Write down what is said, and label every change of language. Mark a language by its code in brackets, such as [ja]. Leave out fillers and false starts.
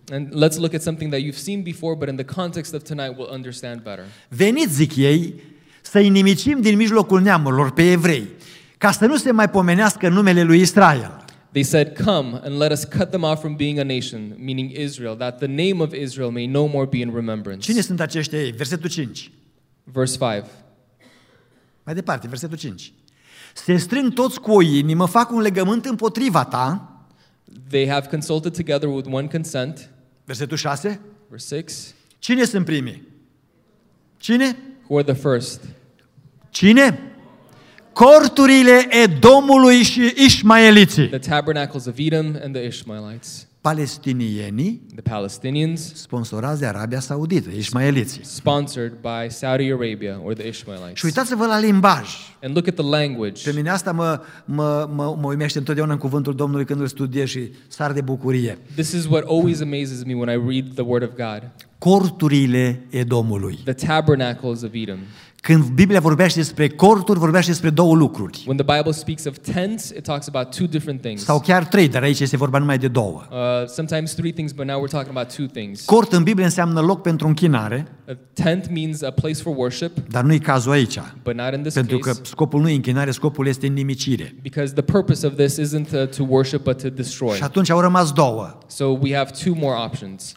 [en] And let's look at something that you've seen before, but in the context of tonight we'll understand better. [ro] Veniți, zic ei, să inimicim din mijlocul neamurilor pe evrei, ca să nu se mai pomenească numele lui Israel. [en] They said, come and let us cut them off from being a nation, meaning Israel, that the name of Israel may no more be in remembrance. [ro] Cine sunt aceștia ei? Versetul 5. [en] Verse 5. [ro] Mai departe, versetul 5. Se strâng toți cu o inimă, fac un legământ împotriva ta. [en] They have consulted together with one consent. [ro] Versetul 6. [en] Verse 6. [ro] Cine sunt primii? Cine? [en] Who are the first? [ro] Cine? Corturile Edomului și Ishmaeliții. [en] The tabernacles of Edom and the Ishmaelites. [ro] Palestinienii. [en] The Palestinians. [ro] Sponsorați de Arabia Saudită, Ishmaeliții. [en] Sponsored by Saudi Arabia or the Ishmaelites. [ro] Și uitați-vă la limbaj. [en] And look at the language. [ro] Pe mine asta mă uimește întotdeauna în cuvântul Domnului când îl studiez și sar de bucurie. [en] This is what always amazes me when I read the word of God. [ro] Corturile Edomului. [en] The tabernacles of Edom. [ro] Când Biblia vorbește despre corturi, vorbește despre două lucruri. [en] When the Bible speaks of tents, it talks about two different things. [ro] Sau chiar trei, dar aici este vorba numai de două. [en] Sometimes three things, but now we're talking about two things. [ro] Cort în Biblie înseamnă loc pentru închinare. [en] A tent means a place for worship. [ro] Dar nu e cazul aici. [en] But not in this [ro] pentru [en] case. [ro] Pentru că scopul nu e închinare, scopul este nimicire. [en] Because the purpose of this isn't to worship but to destroy. [ro] Și atunci au rămas două. [en] So we have two more options.